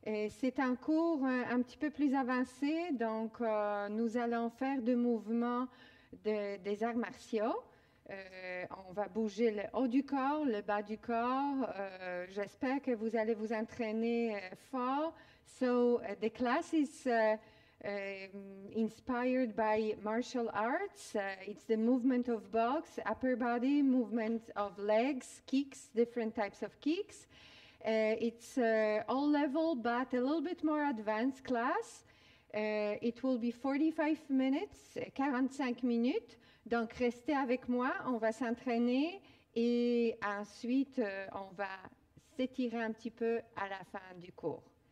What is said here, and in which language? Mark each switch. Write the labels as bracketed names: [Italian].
[French] C'est un cours un petit peu plus avancé. Donc, nous allons faire des mouvements des arts martiaux. On va bouger le haut du corps, le bas du corps. J'espère que vous allez vous entraîner fort. [English] So, the class is inspired by martial arts. It's the movement of boxe, upper body, movement of legs, kicks, different types of kicks. It's all level, but a little bit more advanced class. It will be 45 minutes, 45 minutes. [French] Donc, restez avec moi, on va s'entraîner et ensuite, on va s'étirer un petit peu à la fin du cours.